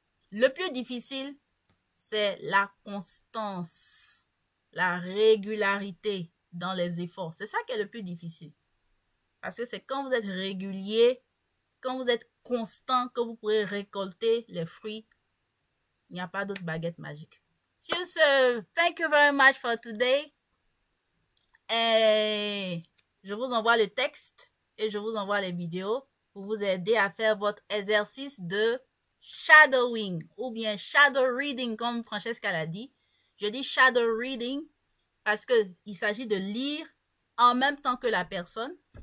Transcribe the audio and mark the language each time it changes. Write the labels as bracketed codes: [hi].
[fr] Le plus difficile, c'est la constance, la régularité dans les efforts. C'est ça qui est le plus difficile. Parce que c'est quand vous êtes régulier, quand vous êtes constant, que vous pourrez récolter les fruits. Il n'y a pas d'autre baguette magique. Sur ce, [en] thank you very much for today. [fr] Et je vous envoie le texte et je vous envoie les vidéos pour vous aider à faire votre exercice de shadowing ou bien shadow reading, comme Francesca l'a dit. Je dis shadow reading parce qu'il s'agit de lire en même temps que la personne.